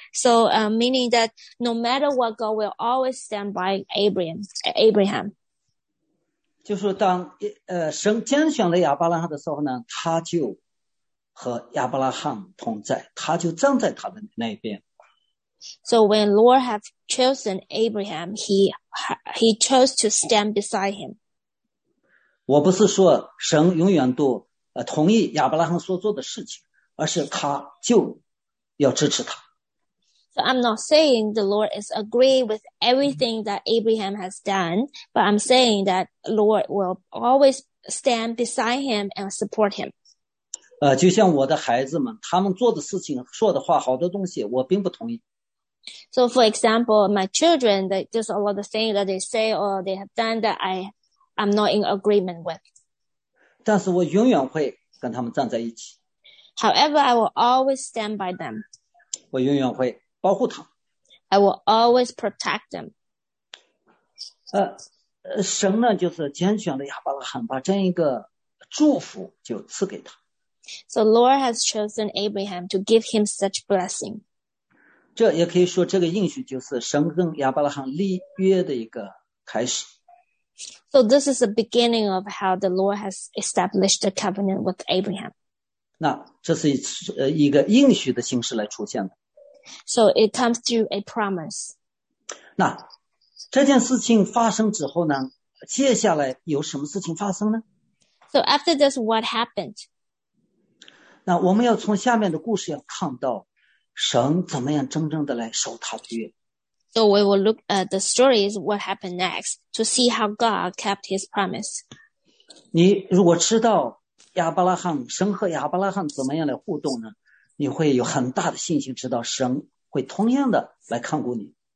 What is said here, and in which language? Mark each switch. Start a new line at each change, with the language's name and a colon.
English: So, meaning that no matter what, God will always stand by Abraham.
Chinese: 就是当神拣选了亚伯拉罕的时候呢，他就和亚伯拉罕同在，他就站在他的那边。
English: So when Lord have chosen Abraham, he chose to stand beside him.
Chinese: 我不是说神永远都同意亚伯拉罕所做的事情，而是他就要支持他。
English: So I'm not saying the Lord is agree with everything that Abraham has done, but I'm saying that Lord will always stand beside him and support him.
Chinese: 就像我的孩子们，他们做的事情、说的话、好多东西，我并不同意。
English: So, for example, my children, there's a lot of things that they say or they have done that I'm not in agreement with.
Chinese: 但是我永远会跟他们站在一起。
English: However, I will always stand by them.
Chinese: 我永远会保护他们。
English: I will always protect them.
Chinese: 神呢，就是拣选了亚伯拉罕，把这样一个祝福就赐给他。
English: So, Lord has chosen Abraham to give him such blessing.
Chinese: 这也可以说，这个应许就是神跟亚伯拉罕立约的一个开始。
English: So this is the beginning of how the Lord has established a covenant with Abraham.
Chinese: 那这是一个应许的形式来出现的。
English: So it comes through a promise.
Chinese: 那这件事情发生之后呢，接下来有什么事情发生呢？
English: So after this, what happened?
Chinese: 那我们要从下面的故事要看到。神怎么样真正的来守他的约
English: ？So we will look at the stories. What happened next to see how God kept His promise?
Chinese: 你如果知道亚伯拉罕神和亚伯拉罕怎么样来互动呢？你会有很大的信心知道神会同样的来看顾你。